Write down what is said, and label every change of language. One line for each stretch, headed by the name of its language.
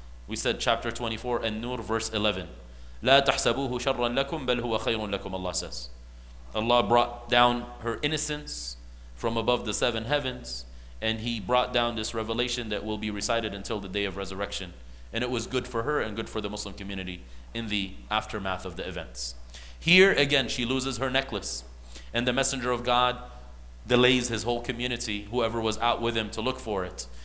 English: We said chapter 24, An-Nur, verse 11.
Arabic: لا تحسبوه شرا لكم بل هو خير لكم,
English: Allah says. Allah brought down her innocence from above the seven heavens, and he brought down this revelation that will be recited until the day of resurrection. And it was good for her and good for the Muslim community in the aftermath of the events. Here again, she loses her necklace, and the Messenger of God delays his whole community, whoever was out with him, to look for it.